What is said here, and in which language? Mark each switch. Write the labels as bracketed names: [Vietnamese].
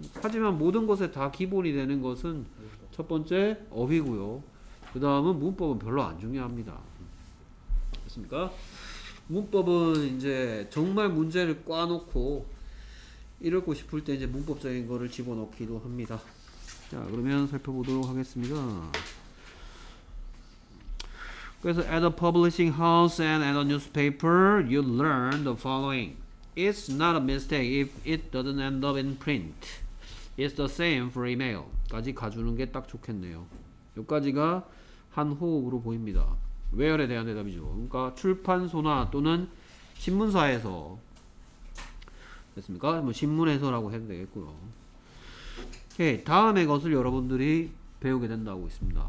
[Korean] 하지만 모든 것에 다 기본이 되는 것은 첫 번째 어휘고요, 그 다음은 문법은 별로 안 중요합니다. 됐습니까? 문법은 이제 정말 문제를 꽈놓고 읽고 싶을 때 이제 문법적인 거를 집어넣기도 합니다. 자, 그러면 살펴보도록 하겠습니다. 그래서 [English] at a publishing house and at a newspaper, you learn the following. It's not a mistake if it doesn't end up in print. It's the same for email. [Korean] 까지 가주는 게 딱 좋겠네요. 여기까지가 한 호흡으로 보입니다. Where에 대한 대답이죠. 그러니까 출판소나 또는 신문사에서, 됐습니까? 뭐 신문에서라고 해도 되겠고요. 오케이, 다음의 것을 여러분들이 배우게 된다고 있습니다.